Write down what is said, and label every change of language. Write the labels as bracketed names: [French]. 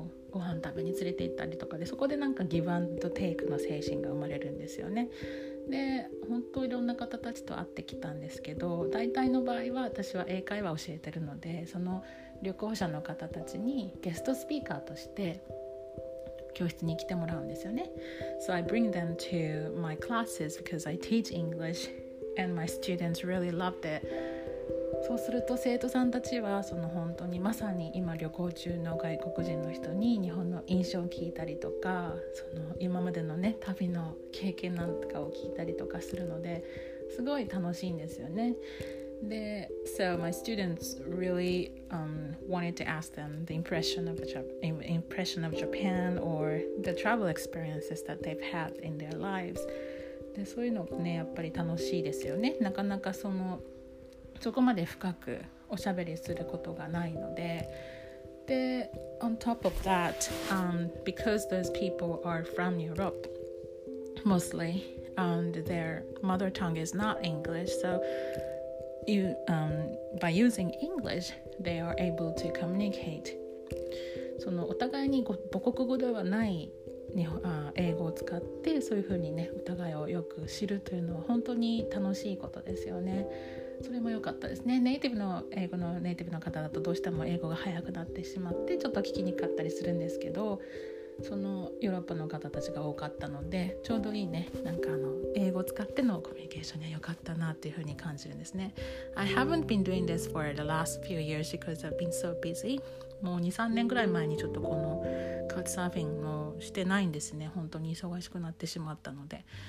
[Japanese] ご飯食べに連れて行ったりとかで、そこでなんかギブアンドテイクの精神が生まれるんですよね。で、本当いろんな方たちと会ってきたんですけど、大体の場合は私は英会話を教えてるので、その旅行者の方たちにゲストスピーカーとして教室に来てもらうんですよね。 [English] So I bring them to my classes because I teach English and my students really loved it. [Japanese] そうすると生徒さんたちはその本当にまさに今旅行中の外国人の人に日本の印象を聞いたりとか、その今までのね旅の経験なんかを聞いたりとかするので、すごい楽しいんですよね。 [English] で、so my students really wanted to ask them the impression of Japan or the travel experiences that they've had in their lives. [Japanese] で、そういうのね、やっぱり楽しいですよね。なかなかそこまで深くおしゃべりすることがないので。 [English] で、on top of that, because those people are from Europe, mostly, and their mother tongue is not English, soby using English, they are able to communicate. [Japanese] そのお互いに母国語ではない英語を使ってそういう風にねお互いをよく知るというのは本当に楽しいことですよね。それも良かったですね。ネイティブの英語のネイティブの方だとどうしても英語が早くなってしまってちょっと聞きにくかったりするんですけど、そのヨーロッパの方たちが多かったので、ちょうどいいね、なんか英語使ってのコミュニケーションには良かったなっていう風に感じるんですね。 [English] I haven't been doing this for the last few years because I've been so busy. [Japanese] もう 2,3 年ぐらい前にちょっとこのカウチサーフィングをしてないんですね。本当に忙しくなってしまったので。